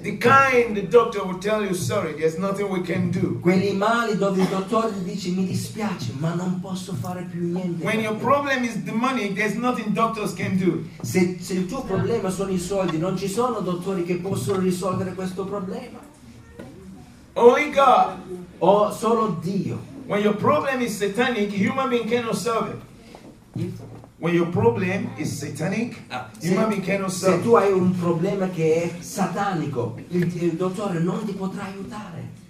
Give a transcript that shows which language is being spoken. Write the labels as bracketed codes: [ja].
[en] The kind the doctor will tell you, sorry, there's nothing we can do. [it] Quelli mali dove il dottore dice mi dispiace, ma non posso fare più niente. [en] When your problem is the money, there's nothing doctors can do. [it] Se il tuo problema sono i soldi, non ci sono dottori che possono risolvere questo problema. [en] Only God. [it] O solo Dio. [en] When your problem is satanic, human being cannot solve it. When your problem is satanic, human being cannot serve. [it] Se tu hai un problema che è satanico, il dottore non ti potrà aiutare.